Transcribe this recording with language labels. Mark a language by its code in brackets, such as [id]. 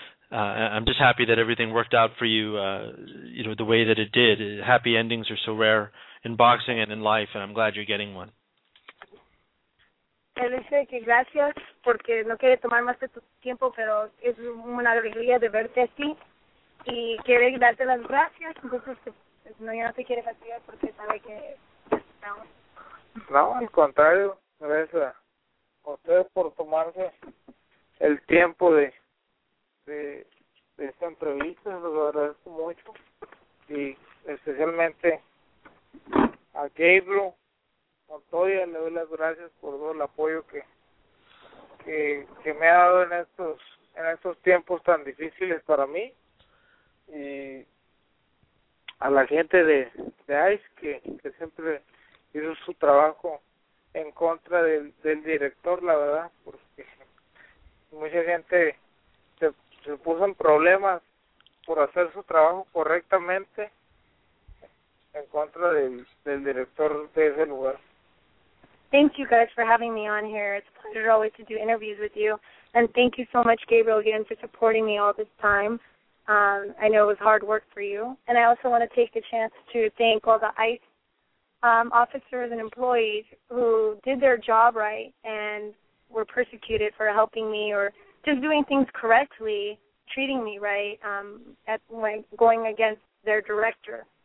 [en] I'm just happy that everything worked out for you, you know, the way that it did. Happy endings are so rare in boxing and in life, and I'm glad you're getting one. [es] Él dice que gracias porque no quiere tomar más de tu tiempo, pero es una alegría de verte así y quiere darte las gracias. Entonces, no, ya no te quiere fastidiar porque sabe que no. No, al contrario, gracias a ustedes por tomarse el tiempo de esta entrevista. Lo agradezco mucho y especialmente a Gabriel. Montoya, le doy las gracias por todo el apoyo que me ha dado en estos tiempos tan difíciles para mí. Y a la gente de ICE, que siempre hizo su trabajo en contra del director, la verdad, porque mucha gente se puso en problemas por hacer su trabajo correctamente en contra del director de ese lugar. [en] Thank you guys for having me on here. It's a pleasure always to do interviews with you. And thank you so much, Gabriel, again, for supporting me all this time. I know it was hard work for you. And I also want to take a chance to thank all the ICE officers and employees who did their job right and were persecuted for helping me or just doing things correctly, treating me right, when going against their director.